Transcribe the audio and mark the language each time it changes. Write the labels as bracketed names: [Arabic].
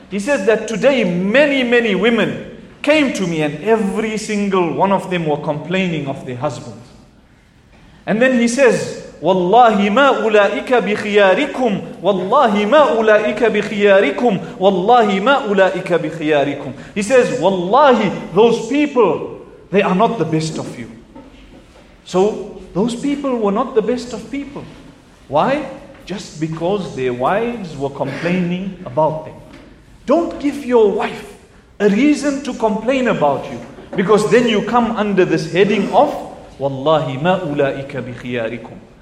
[English] He says that today many women came to me and every single one of them were complaining of their husbands. And then he says, [Arabic] والله ما أولئك بخياركم والله ما أولئك بخياركم والله ما أولئك بخياركم. [English] He says, والله, those people, they are not the best of you. So those people were not the best of people. Why? Just because their wives were complaining about them. Don't give your wife a reason to complain about you, because then you come under this heading of [Arabic] والله ما أولئك بخياركم.